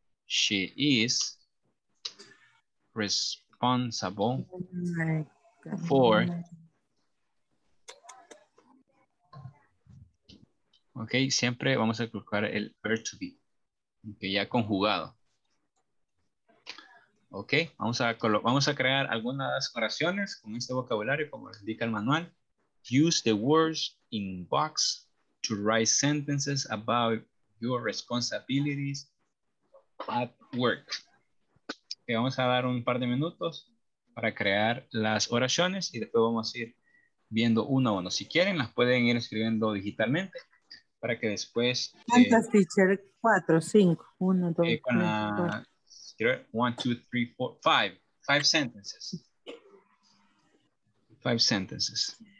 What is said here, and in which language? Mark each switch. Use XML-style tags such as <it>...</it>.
<en>She is responsible for,</en> <es>ok, siempre vamos a colocar el verb to be, que okay, ya conjugado. Ok, vamos a crear algunas oraciones con este vocabulario como les indica el manual.</es> <en>Use the words in box to write sentences about your responsibilities at work.</en> <es>Okay, vamos a dar un par de minutos para crear las oraciones y después vamos a ir viendo uno a uno. Si quieren, las pueden ir escribiendo digitalmente para que después... ¿Cuántas, teacher? 4, 5. 1, 2, 3, 4. Con la...</es> <en>1, 2, 3, 4, 5. 5 sentences. 5 sentences.</en>